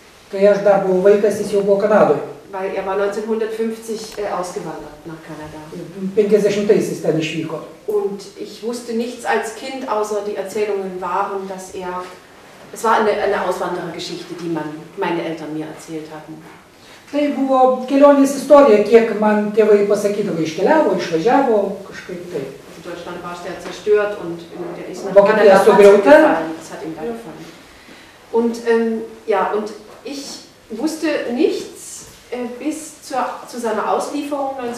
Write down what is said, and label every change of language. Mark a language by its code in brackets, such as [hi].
[lt] Kai aš dar buvau vaikas, jis jau buvo Kanadoje. [de] Weil er war 1950 ausgewandert nach Kanada. [lt] 50-aisiais jis ten išvyko. [de] Und ich wusste nichts als Kind, außer die Erzählungen waren, dass er... Es war eine Auswanderergeschichte, die meine Eltern mir erzählt hatten. [lt] Tai buvo kelionės istorija, kiek man tėvai pasakydavo, iškeliavo, išvažiavo, kažkaip tai. [de] In Deutschland war er zerstört und er ist nach Kanada gefallen. Das hat ihm da gefallen. Und ja, und ich wusste nichts bis zu seiner Auslieferung